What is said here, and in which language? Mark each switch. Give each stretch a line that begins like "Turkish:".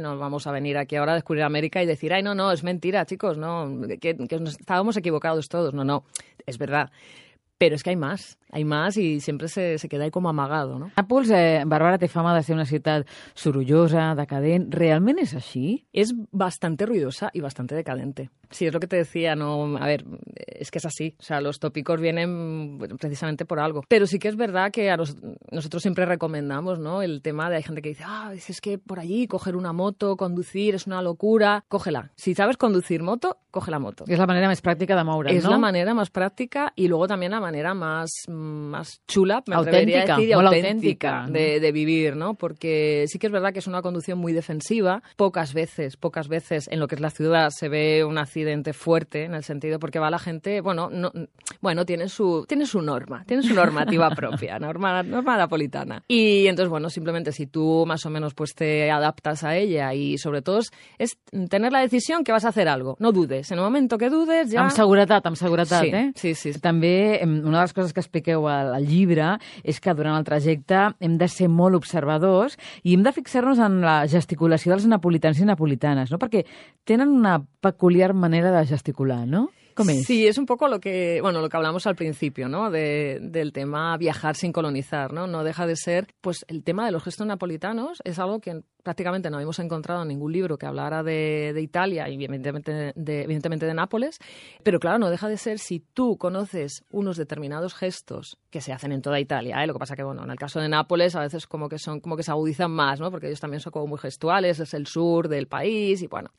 Spanish: No vamos a venir aquí ahora a descubrir América y decir, ay, no, es mentira, chicos, no, que estábamos equivocados todos, no, es verdad.
Catalan: Però és que hi ha més i sempre
Spanish: se queda
Catalan: com amagat, no? Nàpols, Bàrbara, té fama de ser una ciutat sorollosa, decadent. Realment és així?
Spanish: És bastante ruidosa i bastante decadente. Sí, és lo que te decía, no, a ver, es que es así, o sea, los tópicos vienen precisamente por algo. Pero sí que es verdad que nosotros siempre recomendamos, ¿no?, el tema de hay gente que dice, es que por allí coger una moto, conducir, es una locura, cógela. Si sabes conducir moto, coge la moto. Es la manera más práctica de moure, ¿no? Es la manera más práctica y luego también la manera más chula, me auténtica, atrevería a decir, auténtica, ¿no?, de vivir, ¿no? Porque sí que es verdad que es una conducción muy defensiva, pocas veces en lo que es la ciudad se ve un accidente fuerte, en el sentido, porque va la gente, tiene su normativa propia, norma napolitana. Y entonces, bueno, simplemente si tú más o menos pues te adaptas a ella y sobre todo es tener la decisión que vas a hacer algo, no dudes, en el momento que dudes ya...
Catalan: Amb seguretat, sí, ¿eh? Sí. També una de les coses que expliqueu al llibre és que durant el trajecte hem de ser molt observadors i hem de fixar-nos en la gesticulació dels napolitans i napolitanes, no? Perquè tenen una peculiar manera de gesticular, ¿no?
Spanish: ¿Cómo es? Sí, es un poco lo que hablamos al principio, ¿no? Del tema viajar sin colonizar, ¿no? No deja de ser, pues el tema de los gestos napolitanos es algo que prácticamente no habíamos encontrado en ningún libro que hablara de Italia y evidentemente de Nápoles, pero claro, no deja de ser si tú conoces unos determinados gestos que se hacen en toda Italia, ¿eh? Lo que pasa que, bueno, en el caso de Nápoles a veces como que se agudizan más, ¿no? Porque ellos también son como muy gestuales, es el sur del país y bueno.